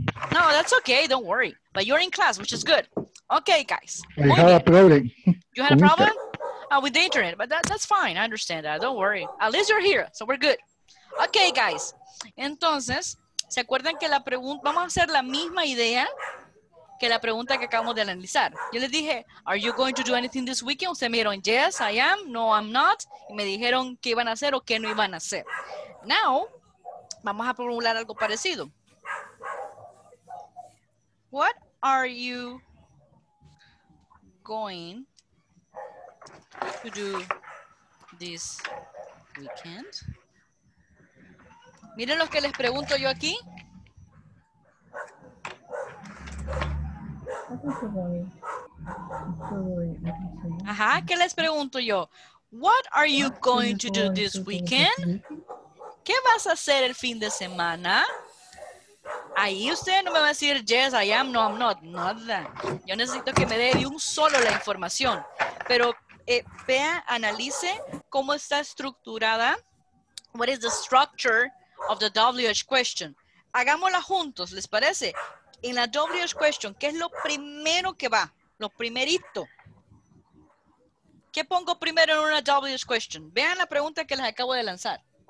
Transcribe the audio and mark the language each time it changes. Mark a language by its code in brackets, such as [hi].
[en] No, that's okay. Don't worry. But you're in class, which is good. Okay, guys. We had a problem. You had a problem? With the internet. But that's fine. I understand that. Don't worry. At least you're here, so we're good. Okay, guys. [es] Entonces, ¿se acuerdan que la pregunta? Vamos a hacer la misma idea que la pregunta que acabamos de analizar. Yo les dije, [en] are you going to do anything this weekend? [es] Ustedes me dijeron, [en] yes, I am. No, I'm not. [es] Y me dijeron qué iban a hacer o qué no iban a hacer. Now, vamos a formular algo parecido. [en] What are you going to do this weekend? [es] Miren lo que les pregunto yo aquí. Ajá, ¿qué les pregunto yo? [en] What are you going to do this weekend? [es] ¿Qué vas a hacer el fin de semana? Ahí usted no me va a decir [en] yes, I am, no, I'm not, [es] nada. Yo necesito que me dé de un solo la información. Pero vea, analice cómo está estructurada. [en] What is the structure of the WH question? [es] Hagámosla juntos, ¿les parece? En la WH question, ¿qué es lo primero que va? Lo primerito. ¿Qué pongo primero en una WH question? Vean la pregunta que les acabo de lanzar.